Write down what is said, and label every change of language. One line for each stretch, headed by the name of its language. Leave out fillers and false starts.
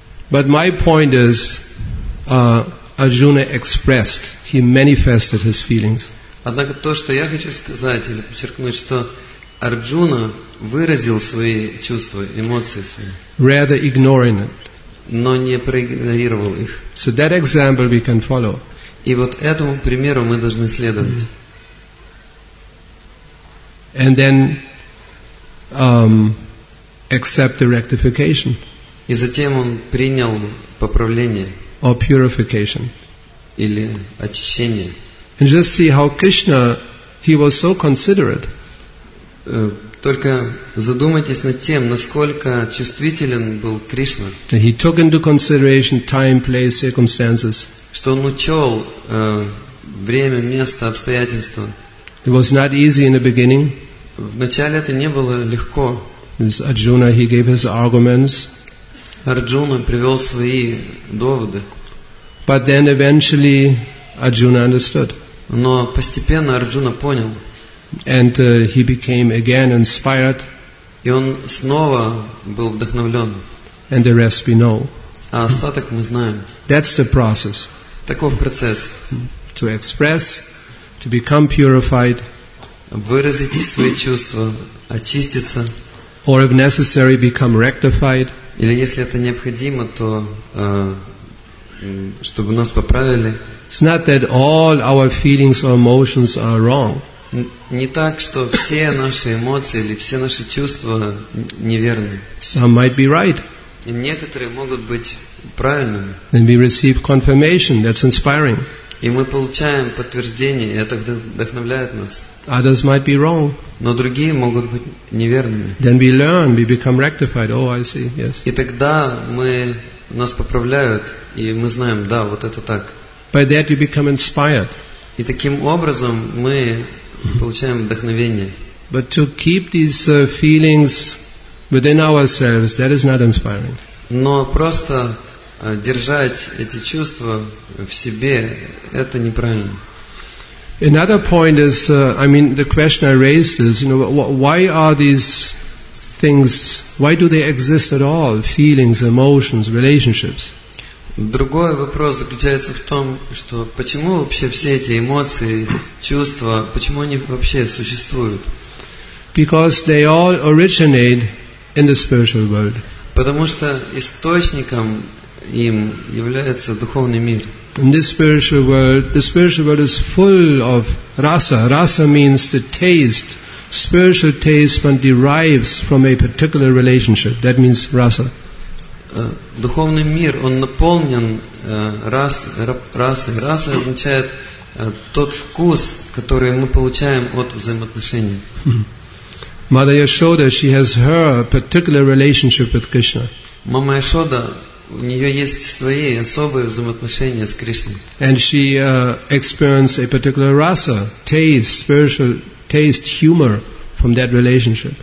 English: But my point is, Arjuna expressed, he manifested his feelings.
Russian: Однако то, что я хочу сказать или подчеркнуть, что Арджуна выразил свои чувства, эмоции свои.
English: Rather ignoring it.
Russian: Но не проигнорировал их.
English: So that example we can follow.
Russian: И вот этому примеру мы должны следовать.
English: And then accept the rectification.
Russian: И затем он принял поправление.
English: Or purification.
Russian: Или очищение.
English: And just see how Krishna, he was so considerate.
Russian: Только задумайтесь над тем, насколько чувствителен был Кришна.
English: That he took into consideration time, place, circumstances.
Russian: Что он учел время, место, обстоятельства.
English: It was not easy in the beginning.
Russian: Вначале это не было легко.
English: Arjuna, he gave his arguments.
Russian: Арджуна привел свои доводы.
English: But then eventually Arjuna understood.
Russian: Но постепенно Арджуна понял.
English: And he became again inspired.
Russian: И он снова был вдохновлен.
English: And the rest we know.
Russian: А остаток мы знаем.
English: That's the process.
Russian: Таков процесс.
English: To express, to become purified.
Russian: Выразить свои чувства, очиститься.
English: Or if necessary, become rectified.
Russian: Или если это необходимо, то чтобы нас поправили.
English: It's not that all our feelings or emotions are wrong.
Russian: Не так, что все наши эмоции или все наши чувства неверны.
English: Some might be right.
Russian: И некоторые могут быть правильными.
English: Then we receive confirmation. That's inspiring.
Russian: И мы получаем подтверждение, и это вдохновляет нас.
English: Others might be wrong.
Russian: Но другие могут быть неверными.
English: Then we learn, we become rectified. Oh, I see. Yes.
Russian: И тогда мы нас поправляют, и мы знаем, да, вот это так.
English: By that you become inspired.
Russian: И таким образом мы получаем вдохновение.
English: But to keep these feelings within ourselves, that is not inspiring.
Russian: Но просто держать эти чувства в себе, это неправильно.
English: Another point is, I mean, the question I raised is, you know, why are these things, why do they exist at all? Feelings, emotions, relationships.
Russian: Другой вопрос заключается в том, что почему вообще все эти эмоции, чувства, почему они вообще существуют?
English: Because they all originate in the spiritual world.
Russian: Потому что источником им является духовный мир.
English: In this spiritual world is full of rasa. Rasa means the taste. Spiritual taste one derives from a particular relationship. That means rasa.
Russian: Духовный мир, он наполнен расой. Раса означает тот вкус, который мы получаем от взаимоотношений.
English: Mother Yashoda, she has her particular relationship with Krishna.
Russian: Мама Яшода, у неё есть свои особые взаимоотношения с Кришной.
English: And she experienced a particular rasa, taste, spiritual taste, humor from that relationship.